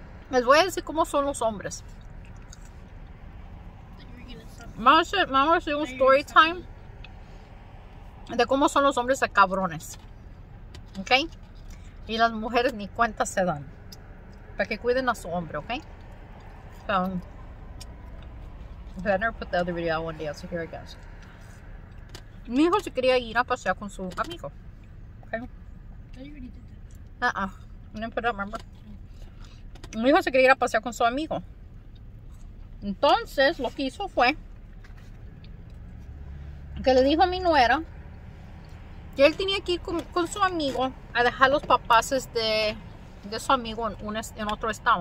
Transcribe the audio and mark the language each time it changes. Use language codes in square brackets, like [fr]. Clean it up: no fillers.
[es] Les voy a decir cómo son los hombres. Vamos a hacer un story time de cómo son los hombres de cabrones. Ok. Y las mujeres ni cuenta se dan. Para que cuiden a su hombre, ¿ok? [en] So, better put the other video out one day, so here it goes. [es] Mi hijo se quería ir a pasear con su amigo. ¿Ok? [en] No, no, no, remember. [es] Mi hijo se quería ir a pasear con su amigo. Entonces, lo que hizo fue que le dijo a mi nuera que él tenía que ir con su amigo a dejar los papás de su amigo en otro estado.